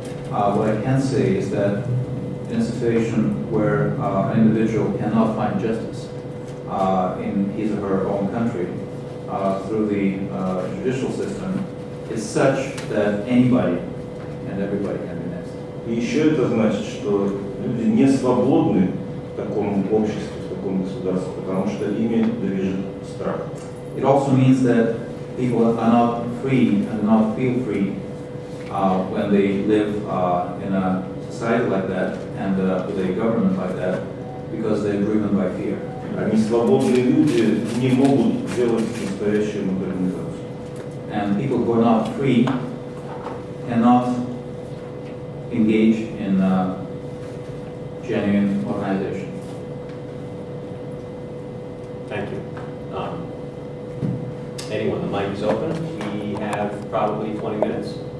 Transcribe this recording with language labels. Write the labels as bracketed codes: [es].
[en] What I can say is that in a situation where an individual cannot find justice in his or her own country through the judicial system, is such that anybody and everybody can be next. [ru] И еще это значит, что люди не свободны в таком обществе, в таком государстве, потому что ими движет страх. [en] It also means that people are not free and not feel free when they live in a society. society like that and with a government like that because they're driven by fear. [ru] Они свободные люди не могут делать настоящую модернизацию. [en] And people who are not free cannot engage in genuine organization. Thank you. Anyone, the mic is open. We have probably 20 minutes.